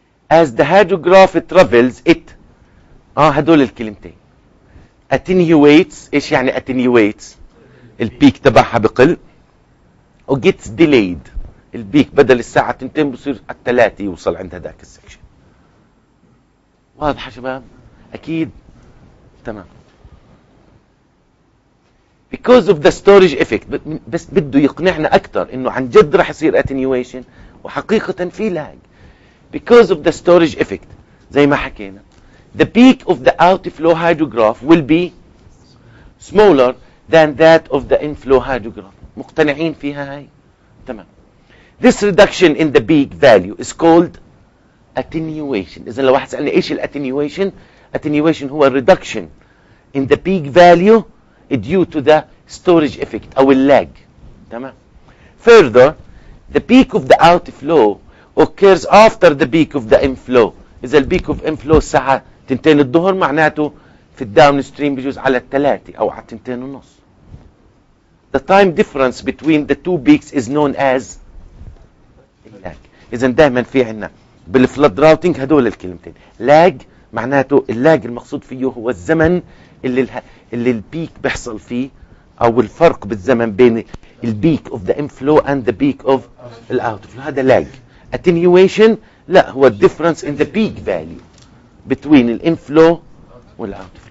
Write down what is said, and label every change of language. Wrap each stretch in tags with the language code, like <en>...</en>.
<en>As the hydrograph travels it،</en> <ar>هدول الكلمتين، attenuates، ايش يعني attenuates؟ البيك تبعها بقل، و</ar> <en>gets delayed،</en> <ar>البيك بدل الساعة 2 بصير على 3 يوصل عند هذاك السكشن. واضحة شباب؟ اكيد. تمام.</ar> <en>Because of the storage effect،</en> <ar>بس بده يقنعنا اكثر انه عن جد رح يصير attenuation وحقيقة في lag.</ar> <en>Because of the storage effect،</en> <ar>زي ما حكينا،</ar> <en>the peak of the outflow hydrograph will be smaller than that of the inflow hydrograph.</en> <ar>مقتنعين فيها هاي؟ تمام.</ar> <en>This reduction in the peak value is called attenuation.</en> <ar>إذا لو واحد سألني إيش الattenuation؟ attenuation هو</ar> <en>reduction in the peak value due to the storage effect</en> <ar>أو lag. تمام.</ar> <en>Further, the peak of the outflow occurs after the peak of the inflow.</en> <ar>إذا البيك of inflow ساعة 2 الظهر، معناته في الداون ستريم بجوز على 3 أو على 2 ونص.</ar> <en>The time difference between the two peaks is known as lag.</en> <ar>إذا دائما في عنا بالفلود راوتينج هدول الكلمتين، lag معناته اللاج المقصود فيه هو الزمن اللي البيك بيحصل فيه، أو الفرق بالزمن بين البيك</ar> <en>of the inflow and the peak of the outflow،</en> <ar>هذا lag.</ar> <en>Attenuation</en> <ar>لا، هو</ar> <en>difference in the peak value between the inflow والoutflow.</en>